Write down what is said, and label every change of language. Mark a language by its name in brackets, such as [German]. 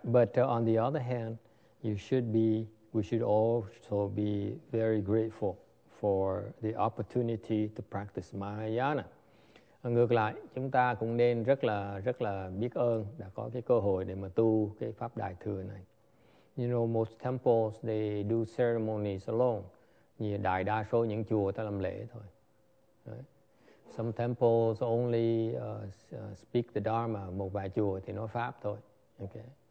[English] But on the other hand, we should also be very grateful for the opportunity to practice Mahayana. [Vietnamese] Ngược lại, chúng ta cũng nên rất là biết ơn đã có cái cơ hội để mà tu cái pháp đại thừa này. [English] You know, most temples they do ceremonies alone. [Vietnamese] Như đại đa số những chùa ta làm lễ thôi. Right. [English] Some temples only speak the Dharma, [Vietnamese] một vài chùa thì nói pháp thôi. [English] Okay.